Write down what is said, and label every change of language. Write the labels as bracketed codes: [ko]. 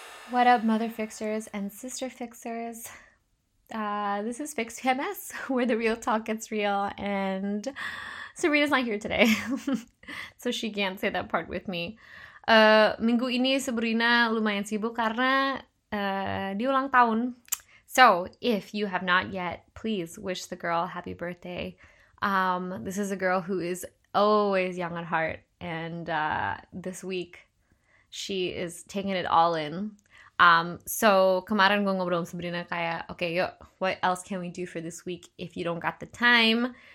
[en] What up, mother fixers and sister fixers? This is Fix PMS, where the real talk gets real. And Sabrina's not here today, so she can't say that part with me. [id] Minggu ini Sabrina lumayan sibuk karena dia ulang tahun. [en] So if you have not yet, please wish the girl happy birthday. This is a girl who is always young at heart, and this week she is taking it all in. So [id] kemarin gue ngobrol sama Sabrina kayak, [en] okay, yuk, what else can we do for this week if you don't got the time?